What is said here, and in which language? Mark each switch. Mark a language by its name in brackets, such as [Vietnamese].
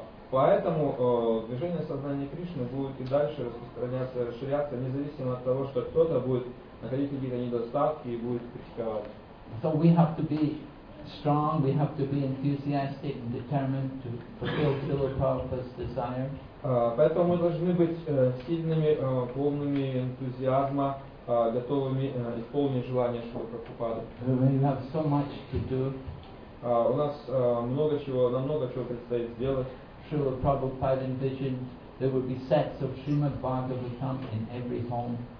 [Russian] Поэтому движение сознания Кришны будет и дальше распространяться, расширяться, независимо от того, что кто-то будет находить какие-то недостатки и будет критиковать. [English] So we have to be strong, we have to be enthusiastic and determined to fulfill Srila Prabhupada's desire. [Russian] Поэтому мы должны быть сильными, полными энтузиазма, готовыми исполнить желание Шрилы Прабхупады. [English] We have so much to do. [Russian] У нас много чего предстоит сделать. [English] Srila Prabhupada envisioned there would be sets of Srimad Bhagavatam in every home.